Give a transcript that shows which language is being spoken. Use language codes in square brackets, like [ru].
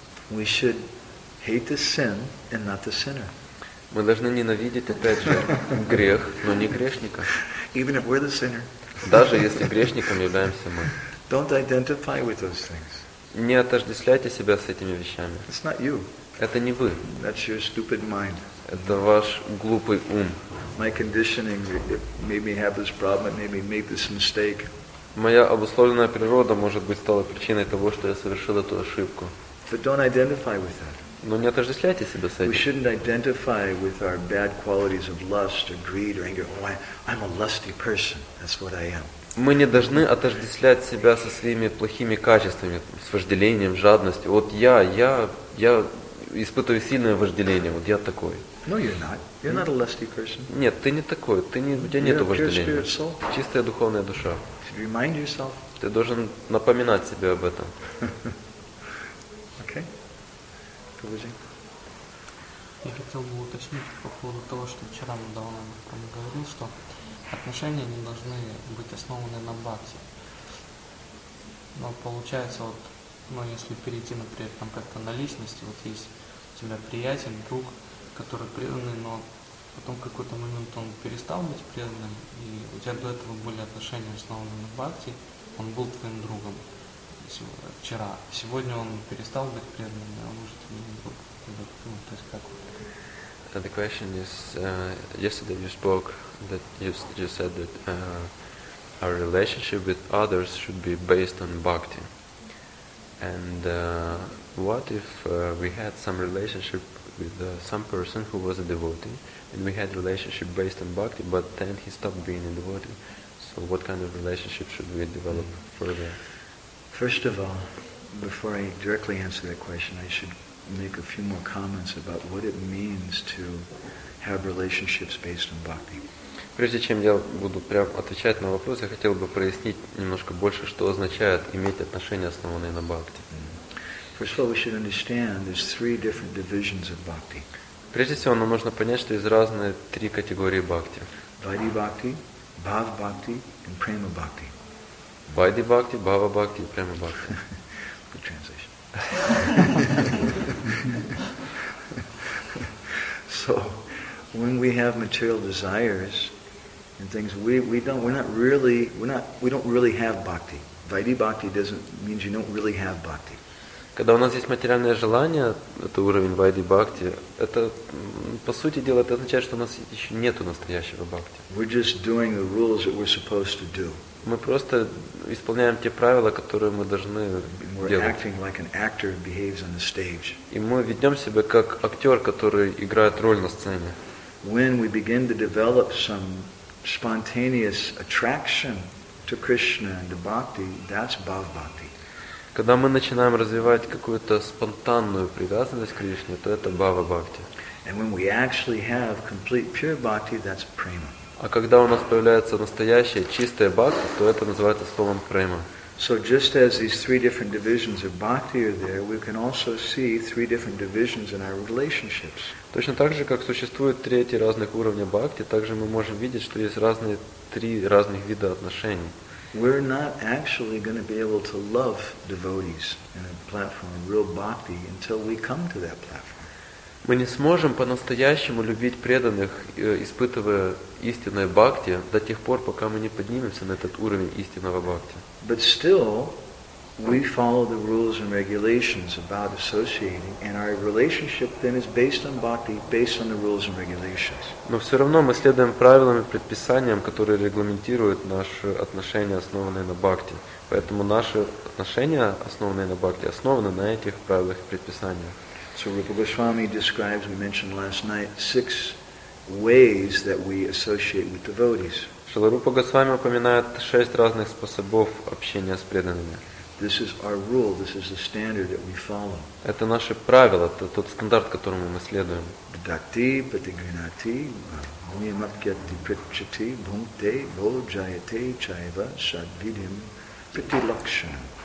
[en] We should hate the sin and not the sinner. [ru] Мы должны ненавидеть, опять же, грех, но не грешника. [en] Even if we're the sinner. [ru] Даже если грешником являемся мы. [en] Don't identify with those things. [ru] Не отождествляйте себя с этими вещами. [en] It's not you. [ru] Это не вы. [en] That's your stupid mind. [ru] Это ваш глупый ум. [en] My conditioning made me have this problem, made me make this mistake. [ru] Моя обусловленная природа, может быть, стала причиной того, что я совершил эту ошибку. [en] But don't identify with that. [ru] Но не отождествляйте себя с этим. [en] We shouldn't identify with our bad qualities of lust or greed or anger. Oh, I'm a lusty person. That's what I am. [ru] Мы не должны отождествлять себя со своими плохими качествами, с вожделением, жадностью. Вот я испытываю сильное вожделение, вот я такой. [en] No, you're not. You're not a lusty person. [ru] Нет, ты не такой, у тебя нет вожделения. Чистая духовная душа. [en] Remind yourself. [ru] Ты должен напоминать себе об этом. [en] Okay. [ru] Я хотел бы уточнить по поводу того, что вчера мы давно говорили, что отношения не должны быть основаны на бхакти. Но получается, вот, ну, если перейти, например, там как-то на личности, вот есть у тебя приятель, друг, который преданный, но потом в какой-то момент он перестал быть преданным, и у тебя до этого были отношения, основанные на бхакти, он был твоим другом вчера. Сегодня он перестал быть преданным, а он уже тебе не друг. Ну, то есть как вот. [en] And the question is, yesterday you spoke that you said that our relationship with others should be based on bhakti. And what if we had some relationship with some person who was a devotee, and we had relationship based on bhakti, but then he stopped being a devotee. So what kind of relationship should we develop further? First of all, before I directly answer that question, I should make a few more comments about what it means to have relationships based on bhakti. [ru] Прежде чем я буду прямо отвечать на вопрос, я хотел бы прояснить немножко больше, что означает иметь отношения, основанные на бхакти. [en] First of all, we should understand there's three different divisions of bhakti. [ru] Прежде всего, нам нужно понять, что есть разные три категории бхакти. [en] Vaidhi bhakti, bhava bhakti, and prema bhakti. Vaidhi bhakti, bhava bhakti, and prema bhakti. Good translation. So, when we have material desires and things, we don't really have bhakti. Vaidhi bhakti doesn't means you don't really have bhakti. [ru] Когда у нас есть материальное желание, это уровень вайди бхакти, это, по сути дела, это означает, что у нас еще нету настоящего бхакти. [en] We're just doing the rules that we're supposed to do. [ru] Мы просто исполняем те правила, которые мы должны [en] we're [ru] делать. [en] Acting like an actor behaves on the stage. [ru] И мы ведем себя как актер, который играет роль на сцене. [en] When we begin to develop some spontaneous attraction to Krishna and to bhakti, that's bhava bhakti. [ru] Когда мы начинаем развивать какую-то спонтанную привязанность к Кришне, то это бхава бхакти. [en] And when we actually have complete pure bhakti, that's prema. [ru] А когда у нас появляется настоящая чистая бхакти, то это называется словом према. [en] So just as these three different divisions of bhakti are there, we can also see three different divisions in our relationships. [ru] Точно так же, как существует три эти разных уровня бхакти, также мы можем видеть, что есть разные три разных вида отношений. [en] We're not actually going to be able to love devotees in a platform, real bhakti, until we come to that platform. [ru] Мы не сможем по-настоящему любить преданных, испытывая истинное бхакти, до тех пор, пока мы не поднимемся на этот уровень истинного бхакти. [en] But still, we follow the rules and regulations about associating, and our relationship then is based on bhakti, based on the rules and regulations. [ru] Но все равно мы следуем правилам и предписаниям, которые регламентируют наши отношения, основанные на бхакти. Поэтому наши отношения, основанные на бхакти, основаны на этих правилах и предписаниях. [en] So Rupa Goswami describes, we mentioned last night, six ways that we associate with devotees. [ru] Шрила Рупа Госвами упоминает шесть разных способов общения с преданными. [en] This is our rule. This is the standard that we follow. [ru] Это наше правило, это тот стандарт, которому мы следуем. [sa] Бхакти, патигринати, мумакьяти, причати, бхумте, боджаяте, чайва, шадвидим, притилакшанам.